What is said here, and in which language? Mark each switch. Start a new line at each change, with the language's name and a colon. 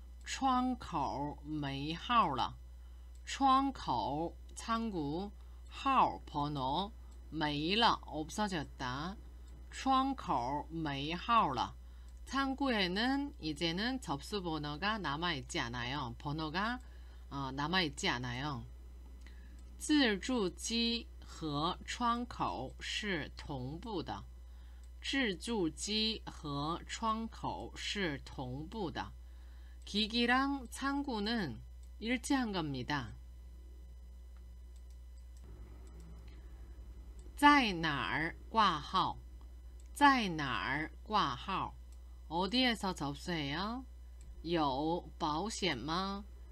Chinese: 窗口没号了。窗口没号了。
Korean: 窗口 창구 号 번호 没了 없어졌다.
Chinese: 窗口没号了.
Korean: 창구에는 이제는 접수 번호가 남아있지 않아요. 번호가 남아있지 않아요.
Chinese: 自助机和窗口是同步的。自助机和窗口是同步的。
Korean: 기기랑 창구는 일치한 겁니다.
Chinese: 在哪儿挂号?在哪儿挂号?
Korean: 어디에서 접수해요?
Chinese: 有保险吗?